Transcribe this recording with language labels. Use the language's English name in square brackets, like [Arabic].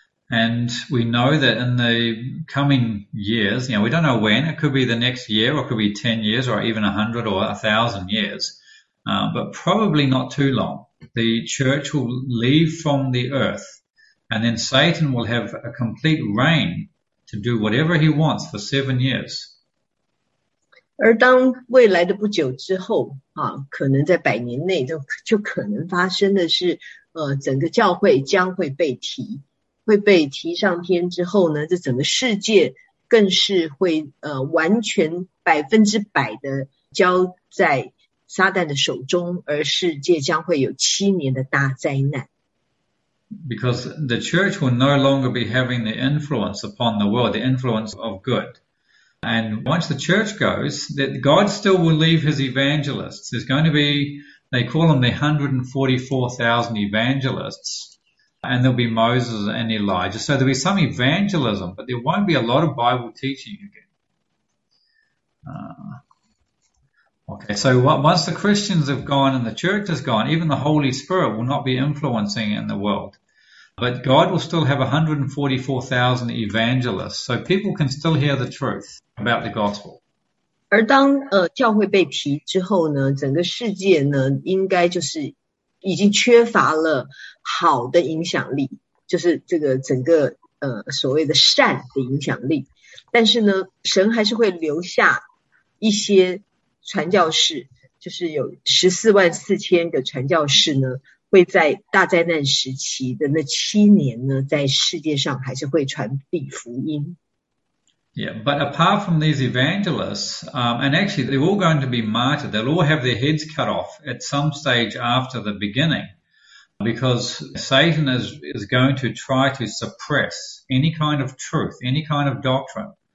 [English] And we know that in the coming years, you know, we don't know when, it could be the next year, or it could be 10 years, or even 100 or 1,000 years. But probably not too long. The church will leave from the earth, and then Satan will have a complete reign to do whatever he wants for 7 years. [Chinese] 而当未来的不久之后，可能在百年内就可能发生的是，整个教会将会被提上天之后呢，这整个世界更是会完全100%的交在撒旦的手中，而世界将会有7年的大灾难。 [English] Because the church will no longer be having the influence upon the world, the influence of good. And once the church goes, that God still will leave his evangelists. There's going to be, they call them the 144,000 evangelists, and there'll be Moses and Elijah. So there'll be some evangelism, but there won't be a lot of Bible teaching again. Okay, so once the Christians have gone and the church has gone, even the Holy Spirit will not be influencing in the world. But God will still have 144,000 evangelists, so people can still hear the truth about the gospel. [Chinese] 而当教会被提之后呢，整个世界呢，应该就是已经缺乏了好的影响力，就是这个整个所谓的善的影响力。但是呢，神还是会留下一些传教士，就是有144,000个传教士呢，会在大灾难时期的那7年呢，在世界上还是会传递福音。 [English] Yeah, but apart from these evangelists, and actually they're all going to be martyred. They'll all have their heads cut off at some stage after the beginning, because Satan is going to try to suppress any kind of truth, any kind of doctrine.